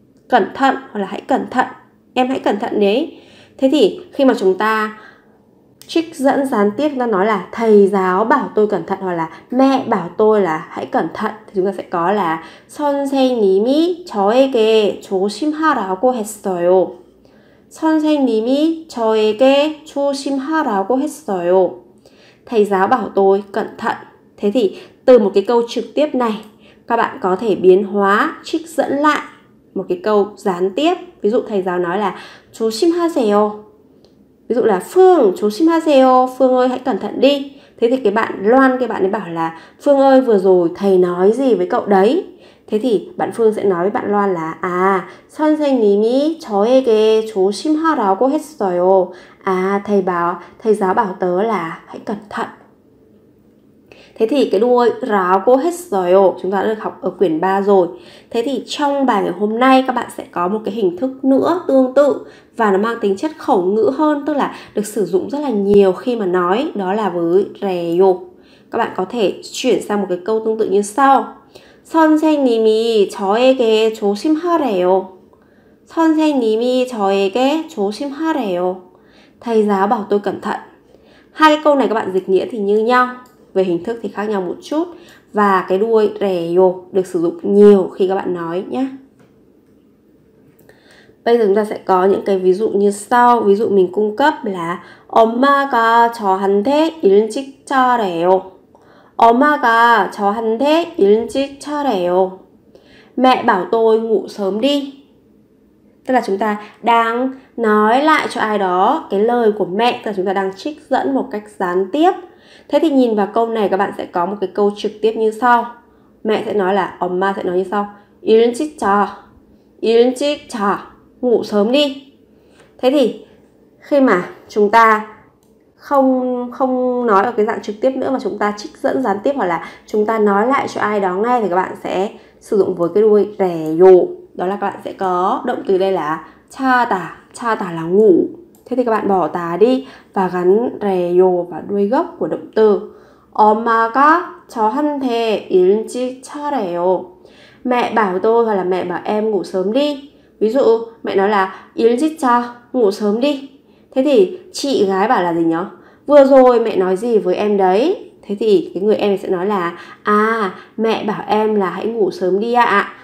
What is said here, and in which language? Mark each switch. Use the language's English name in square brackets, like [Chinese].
[Vietnamese] Cẩn thận, hoặc là hãy cẩn thận. Em hãy cẩn thận đấy. Thế thì khi mà chúng ta trích dẫn gián tiếp, chúng ta nói là thầy giáo bảo tôi cẩn thận, hoặc là mẹ bảo tôi là hãy cẩn thận, thì chúng ta sẽ có là [Korean] 선생님이 저에게 조심하라고 했어요. 선생님이 저에게 조심하라고 했어요. [Vietnamese] Thầy giáo bảo tôi cẩn thận. Thế thì từ một cái câu trực tiếp này, các bạn có thể biến hóa, trích dẫn lại một cái câu gián tiếp. Ví dụ thầy giáo nói là [Korean] 조심하세요. [Vietnamese] Ví dụ là Phương, 조심하세요. Phương ơi, hãy cẩn thận đi. Thế thì cái bạn Loan, cái bạn ấy bảo là Phương ơi, vừa rồi thầy nói gì với cậu đấy? Thế thì bạn Phương sẽ nói với bạn Loan là [Korean] 아, 선생님이 저에게 조심하라고 했어요. [Vietnamese] 아, thầy bảo, thầy giáo bảo tớ là hãy cẩn thận. Thế thì cái đuôi ráo cô hết rồi, chúng ta đã được học ở quyển 3 rồi. Thế thì trong bài ngày hôm nay các bạn sẽ có một cái hình thức nữa tương tự, và nó mang tính chất khẩu ngữ hơn, tức là được sử dụng rất là nhiều khi mà nói, đó là với rè yô. Các bạn có thể chuyển sang một cái câu tương tự như sau. [Korean] 선생님이 저에게 조심하래요. 선생님이 저에게 조심하래요. [Vietnamese] Thầy giáo bảo tôi cẩn thận. Hai cái câu này các bạn dịch nghĩa thì như nhau, về hình thức thì khác nhau một chút, và cái đuôi rè yô được sử dụng nhiều khi các bạn nói nhé. Bây giờ chúng ta sẽ có những cái ví dụ như sau. Ví dụ mình cung cấp là [Korean] 엄마가 저한테 일찍 차래요. 엄마가 저한테 일찍 차래요. [Vietnamese] Mẹ bảo tôi ngủ sớm đi. Tức là chúng ta đang nói lại cho ai đó cái lời của mẹ, tức là chúng ta đang trích dẫn một cách gián tiếp. Thế thì nhìn vào câu này, các bạn sẽ có một cái câu trực tiếp như sau. Mẹ sẽ nói là, ma sẽ nói như sau. [Korean] 일찍 자, 일찍 자, [Vietnamese] ngủ sớm đi. Thế thì khi mà chúng ta không nói ở cái dạng trực tiếp nữa, mà chúng ta trích dẫn gián tiếp, hoặc là chúng ta nói lại cho ai đó nghe, thì các bạn sẽ sử dụng với cái đuôi rè yô. Đó là các bạn sẽ có động từ đây là 자다, 자다 là ngủ. Thế thì các bạn bỏ tà đi và gắn rè yô vào đuôi gốc của động từ. [Korean] 엄마가 저한테 일찍 차래요. [Vietnamese] Mẹ bảo tôi, hoặc là mẹ bảo em ngủ sớm đi. Ví dụ mẹ nói là [Korean] 일찍 자, [Vietnamese] ngủ sớm đi. Thế thì chị gái bảo là gì nhỉ? Vừa rồi mẹ nói gì với em đấy? Thế thì cái người em sẽ nói là à, mẹ bảo em là hãy ngủ sớm đi ạ.